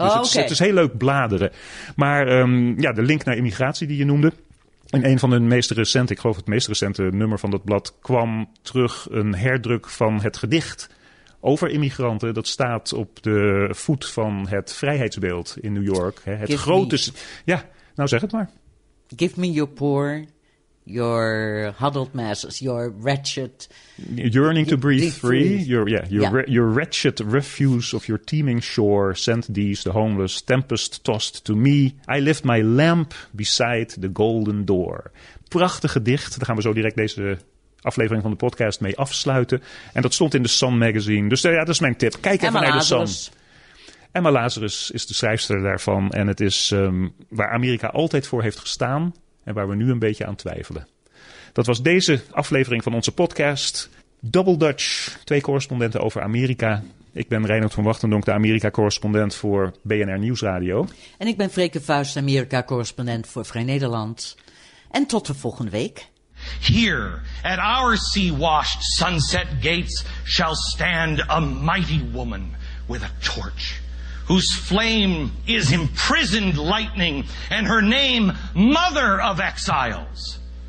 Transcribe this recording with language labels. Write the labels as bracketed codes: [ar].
[nl] Dus het is heel leuk bladeren. Maar de link naar immigratie die je noemde. In een van hun meest recente, ik geloof het meest recente nummer van dat blad, kwam terug een herdruk van het gedicht over immigranten. Dat staat op de voet van het vrijheidsbeeld in New York. Hè, het give grote. Me, ja, nou zeg het maar. [en] Give me your poor, your huddled masses, your wretched, yearning to breathe free, your wretched refuse of your teeming shore, send these, the homeless, tempest-tossed to me, I lift my lamp beside the golden door. [nl] Prachtig gedicht, daar gaan we zo direct deze aflevering van de podcast mee afsluiten. En dat stond in The Sun magazine, dus ja, dat is mijn tip. Kijk even naar The Sun. Emma Lazarus is de schrijfster daarvan en het is waar Amerika altijd voor heeft gestaan en waar we nu een beetje aan twijfelen. Dat was deze aflevering van onze podcast. Double Dutch, twee correspondenten over Amerika. Ik ben Reinhard van Wachtendonk, de Amerika-correspondent voor BNR Nieuwsradio. En ik ben Freke Vuist, Amerika-correspondent voor Vrij Nederland. En tot de volgende week. [en] Here, at our sea-washed sunset gates, shall stand a mighty woman with a torch, whose flame is imprisoned lightning, and her name, Mother of Exiles.